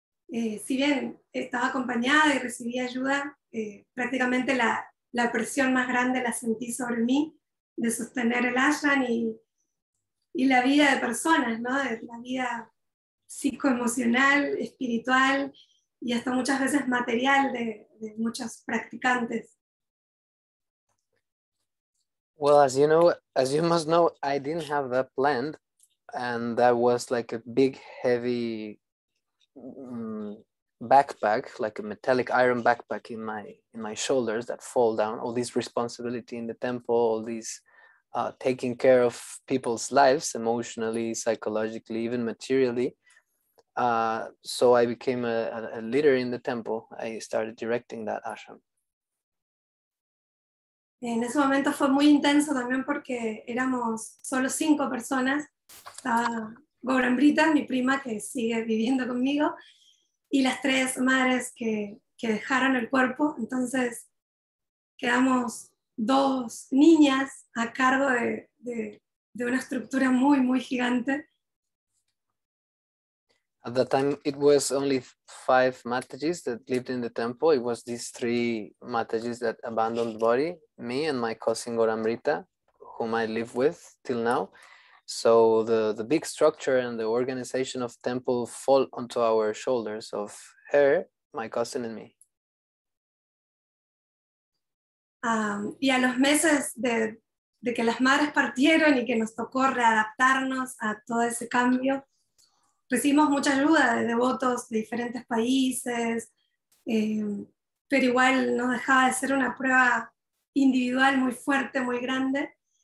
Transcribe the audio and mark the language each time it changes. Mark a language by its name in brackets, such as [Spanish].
[Spanish] Si bien estaba acompañada y recibí ayuda, prácticamente la presión más grande la sentí sobre mí, de sostener el ashram y la vida de personas, ¿no? De la vida psicoemocional, espiritual y hasta muchas veces material de muchos practicantes. [English] Well, as you must know, I didn't have that planned, and that was like a big, heavy backpack, like a metallic iron backpack in my shoulders that fall down. All this responsibility in the temple, all these taking care of people's lives emotionally, psychologically, even materially. So I became a leader in the temple. I started directing that ashram. [Spanish] En ese momento fue muy intenso también porque éramos solo 5 personas. Estaba Gobran Brita, mi prima, que sigue viviendo conmigo, y las 3 madres que dejaron el cuerpo. Entonces quedamos 2 niñas a cargo de una estructura muy, muy gigante. [English] At that time, it was only 5 Matajis that lived in the temple. It was these 3 Matajis that abandoned the body, me and my cousin Goramrita, whom I live with till now. So the big structure and the organization of temple fall onto our shoulders of her, my cousin, and me. [Spanish] Y a los meses de que las madres partieron y que nos tocó readaptarnos a todo ese cambio, recibimos mucha ayuda de devotos de diferentes países, pero igual no dejaba de ser una prueba individual muy fuerte, muy grande.